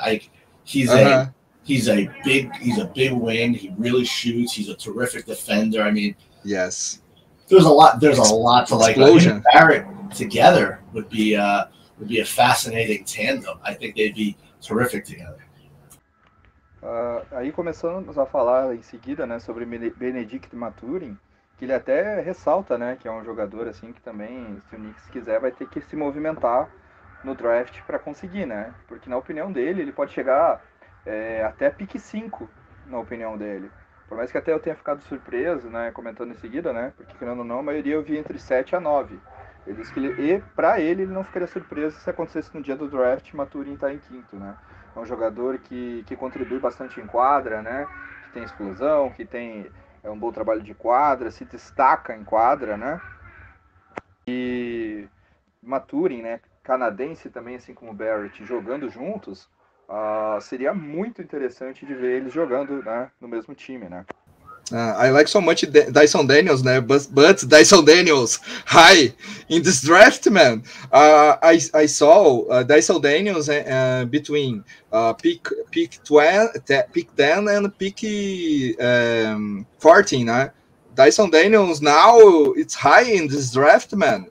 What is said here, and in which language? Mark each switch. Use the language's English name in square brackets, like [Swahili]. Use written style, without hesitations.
[English] Like he's a big wing. He really shoots. He's a terrific defender. I mean, yes. There's a lot to explosion. Like Barrett together would be a fascinating tandem. I think they'd be terrific together. [Portuguese] Aí começamos a falar em seguida, né, sobre Benedict Mathurin. Que ele até ressalta, né, que é um jogador assim que também, se o Knicks quiser, vai ter que se movimentar no draft para conseguir, né? Porque na opinião dele, ele pode chegar até pick 5, na opinião dele. Por mais que até eu tenha ficado surpreso, né, comentando em seguida, né? Porque, querendo ou não, a maioria eu vi entre 7 a 9. Ele disse que ele não ficaria surpreso se acontecesse no dia do draft e Mathurin tá em 5º, né? É um jogador que contribui bastante em quadra, né? Que tem explosão, que tem... É um bom trabalho de quadra, se destaca em quadra, né? E Mathurin, né? Canadense também, assim como o Barrett, jogando juntos, seria muito interessante de ver eles jogando, né, no mesmo time, né? [English] I like so much Dyson Daniels, né? But Dyson Daniels, hi! In this draft, man, I saw Dyson Daniels between pick 12, pick 10 and pick 14, né? Dyson Daniels now it's high in this draft, man.